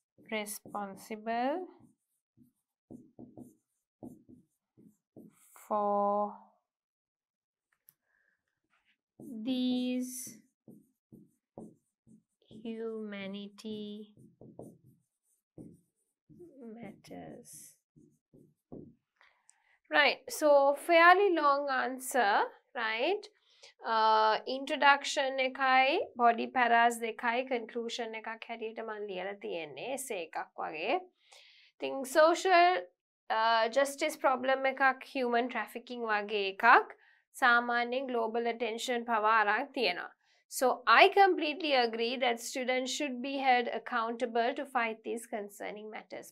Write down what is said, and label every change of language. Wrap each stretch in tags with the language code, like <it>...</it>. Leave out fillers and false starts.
<en>responsible for these humanity matters. Right, so fairly long answer, right?</en> <si>Introduction එකයි body paras දෙකයි conclusion එකක් හැටියටම ලියලා තියෙන්නේ essay එකක් වගේ.</si> <en>Then social justice problem</en> <si>එකක් human trafficking වගේ එකක් සාමාන්‍යයෙන් global attention පවා අරන් තියෙනවා.</si> <en>So I completely agree that students should be held accountable to fight these concerning matters.</en>